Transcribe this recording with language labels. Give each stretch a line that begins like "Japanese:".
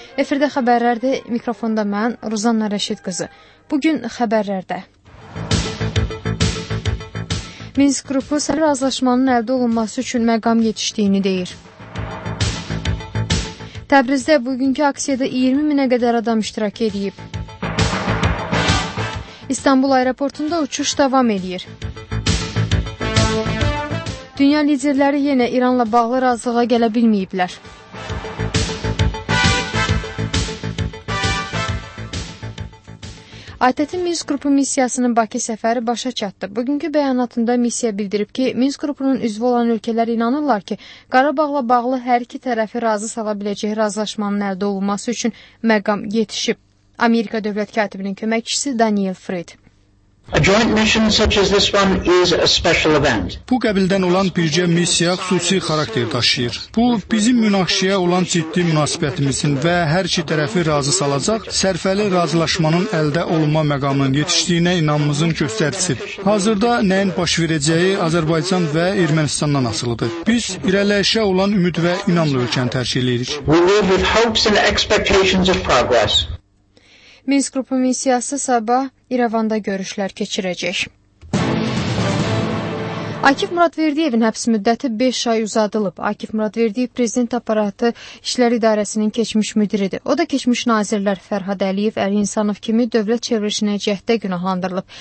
Azerbaijani: Efirdə xəbərlərdir, mikrofonda mən, Ruzanna Rəşid qızı. Bugün xəbərlərdə. Minsk qrupu sərhəd razılaşmanın əldə olunması üçün məqam yetişdiyini deyir. Təbrizdə bugünkü aksiyada 20 minə qədər adam iştirak edib. İstanbul aeroportunda uçuş davam edir. Dünya liderləri yenə İranla bağlı razılığa gələ bilməyiblər. ATƏT-in Minsk qrupu missiyasının Bakı səfəri başa çatdı. Bugünkü bəyanatında missiya bildirib ki, Minsk qrupunun üzvü olan ölkələr inanırlar ki, Qarabağla bağlı hər iki tərəfi razı sala biləcəyi razılaşmanın əldə olunması üçün məqam yetişib. Amerika Dövlət Katibinin köməkçisi Daniel Fried.
English: A joint mission such as this one is a special event.
Azerbaijani: Bu qəbildən olan bircə missiya xüsusi xarakter daşıyır. Bu, bizim münaqişəyə olan ciddi münasibətimizin və hər iki tərəfi razı salacaq, sərfəli razılaşmanın əldə olunma məqamının yetişdiyinə inamımızın göstəricisidir. Hazırda nəyin baş verəcəyi Azərbaycan və Ermənistandan asılıdır. Biz irəliləyişə olan ümid və inamlı ölkəni tərcih edirik.
English: We live with hopes and expectations of progress.
Azerbaijani: Minsk qrupu missiyası sabah İrəvanda görüşlər keçirəcək. Akif Muradverdiyevin həbs müddəti 5 ay uzadılıb. Akif Muradverdiyev Prezident Aparatı İşlər İdarəsinin keçmiş müdiridir. O da keçmiş nazirlər Fərhad Əliyev, Əli İnsanov kimi dövlət çevrilişinə cəhddə günahlandırılıb.